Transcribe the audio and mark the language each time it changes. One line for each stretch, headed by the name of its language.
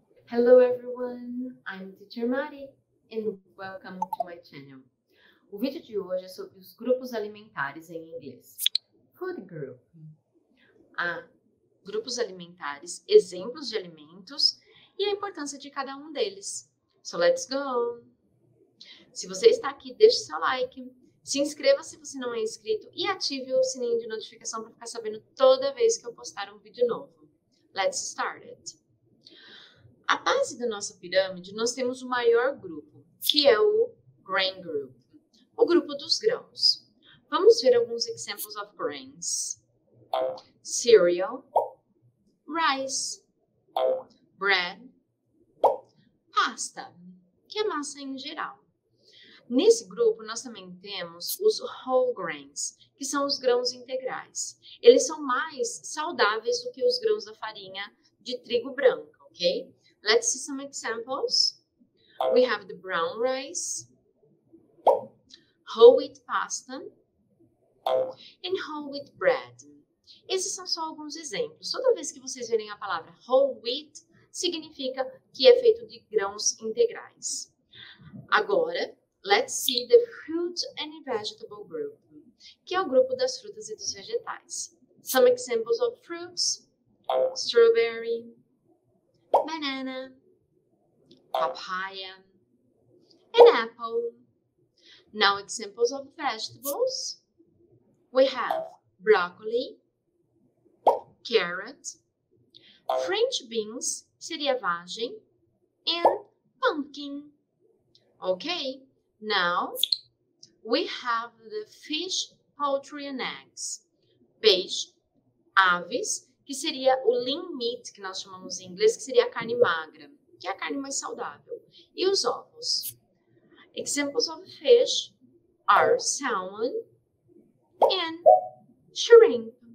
English: Hello everyone, I'm Teacher Mari and welcome to my channel.
Portuguese: O vídeo de hoje é sobre os grupos alimentares em inglês.
English: Food group.
Portuguese: Grupos alimentares, exemplos de alimentos e a importância de cada um deles.
English: So let's go!
Portuguese: Se você está aqui, deixe seu like, se inscreva se você não é inscrito e ative o sininho de notificação para ficar sabendo toda vez que eu postar um vídeo novo.
English: Let's start it!
Portuguese: A base da nossa pirâmide, nós temos o maior grupo, que é o Grain Group, o grupo dos grãos. Vamos ver alguns exemplos
English: of grains. Cereal, rice, bread, pasta,
Portuguese: que é massa em geral. Nesse grupo, nós também temos os whole grains, que são os grãos integrais. Eles são mais saudáveis do que os grãos da farinha de trigo branco, ok?
English: Let's see some examples. We have the brown rice, whole wheat pasta, and whole wheat bread.
Portuguese: Esses são só alguns exemplos. Toda vez que vocês verem a palavra whole wheat, significa que é feito de grãos integrais. Agora,
English: let's see the fruit and vegetable group,
Portuguese: que é o grupo das frutas e dos vegetais.
English: Some examples of fruits, strawberry, banana, papaya, and apple. Now, examples of vegetables. We have broccoli, carrot, French beans,
Portuguese: seria vagem,
English: and pumpkin. Okay, now we have the fish, poultry, and eggs.
Portuguese: Peixe, aves, que seria o lean meat, que nós chamamos em inglês, que seria a carne magra, que é a carne mais saudável. E os ovos.
English: Examples of fish are salmon and shrimp.